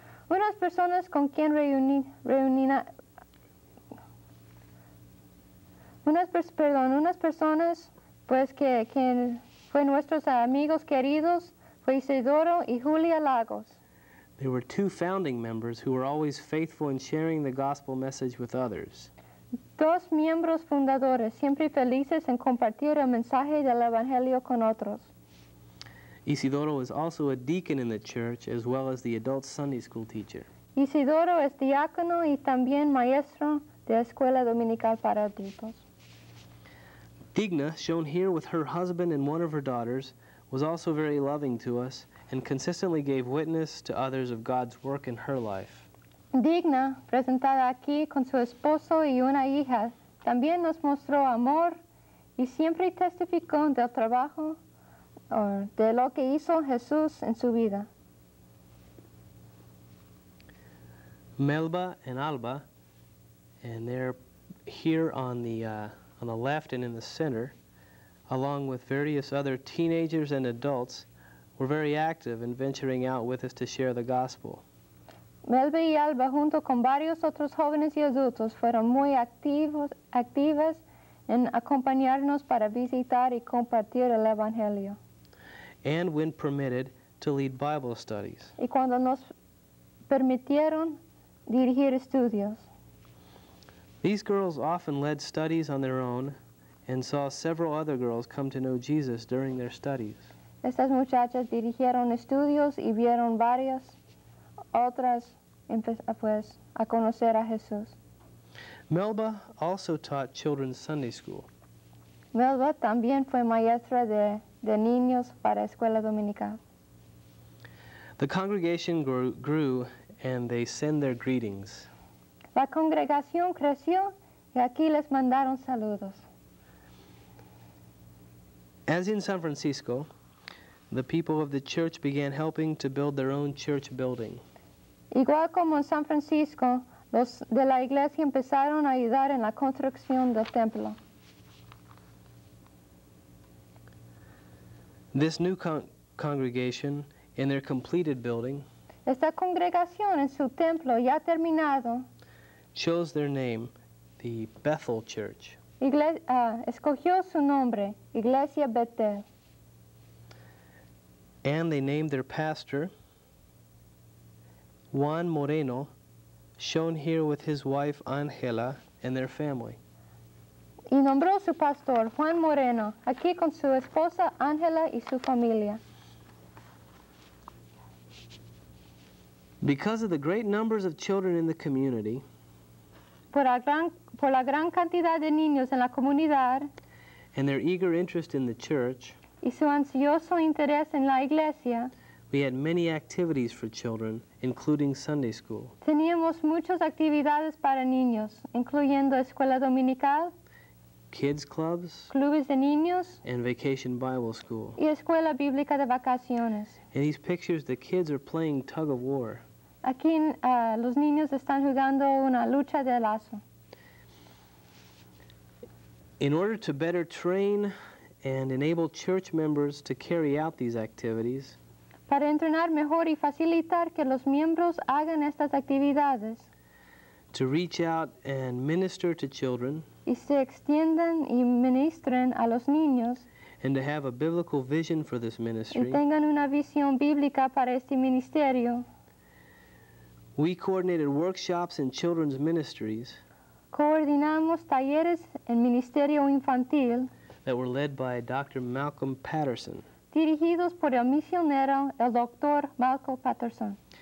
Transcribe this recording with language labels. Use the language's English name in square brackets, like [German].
[Spanish] Unas personas con quien unas personas fue nuestros amigos queridos fue Isidoro y Julia Lagos. [English] They were two founding members who were always faithful in sharing the gospel message with others. [Spanish] Dos miembros fundadores, siempre felices en compartir el mensaje del Evangelio con otros. [English] Isidoro is also a deacon in the church, as well as the adult Sunday school teacher. [Spanish] Isidoro es diácono y también maestro de escuela dominical para adultos. [English] Digna, shown here with her husband and one of her daughters, was also very loving to us and consistently gave witness to others of God's work in her life. [Spanish] Digna, presentada aquí con su esposo y una hija, también nos mostró amor y siempre testificó del trabajo o de lo que hizo Jesús en su vida. [English] Melba and Alba, and they're here on the left and in the center, along with various other teenagers and adults, were very active in venturing out with us to share the gospel. [Spanish] Melba y Alba, junto con varios otros jóvenes y adultos, fueron muy activas en acompañarnos para visitar y compartir el Evangelio. [English] And when permitted, to lead Bible studies. [Spanish] Y cuando nos permitieron dirigir estudios. [English] These girls often led studies on their own and saw several other girls come to know Jesus during their studies. [Spanish] Estas muchachas dirigieron estudios y vieron varias otras pues, a conocer a Jesús. [English] Melba also taught children's Sunday school. [Spanish] Melba también fue maestra de niños para escuela dominical. [English] The congregation grew and they send their greetings. [Spanish] La congregación creció y aquí les mandaron saludos. [English] As in San Francisco, the people of the church began helping to build their own church building. [Spanish] Igual como en San Francisco, los de la iglesia empezaron a ayudar en la construcción del templo. [English] This new congregation, in their completed building, [Spanish] esta congregación en su templo ya terminado, [English] chose their name, the Bethel Church. [Spanish] Escogió su nombre, Iglesia Bethel. [English] And they named their pastor Juan Moreno, shown here with his wife Angela and their family. [Spanish] Y nombró su pastor Juan Moreno, aquí con su esposa Angela y su familia. [English] Because of the great numbers of children in the community, [Spanish] por la gran cantidad de niños en la comunidad, [English] and their eager interest in the church, [Spanish] y su ansioso interés en la iglesia, [English] we had many activities for children, including Sunday school. [Spanish] Teníamos muchas actividades para niños, incluyendo escuela dominical, [English] kids clubs, [Spanish] clubes de niños, [English] and vacation Bible school. [Spanish] Y escuela bíblica de vacaciones. [English] In these pictures, the kids are playing tug of war. [Spanish] Aquí los niños están jugando una lucha de lazo. [English] In order to better train and enable church members to carry out these activities, [Spanish] para entrenar mejor y facilitar que los miembros hagan estas actividades, [English] to reach out and minister to children, [Spanish] y se extiendan y ministren a los niños, [English] and to have a biblical vision for this ministry, [Spanish] y tengan una visión bíblica para este ministerio, [English] we coordinated workshops in children's ministries, [Spanish] coordinamos talleres en ministerio infantil, [English] that were led by Dr. Malcolm Patterson. [Spanish] Dirigidos por el misionero, el Dr. Malcolm Patterson.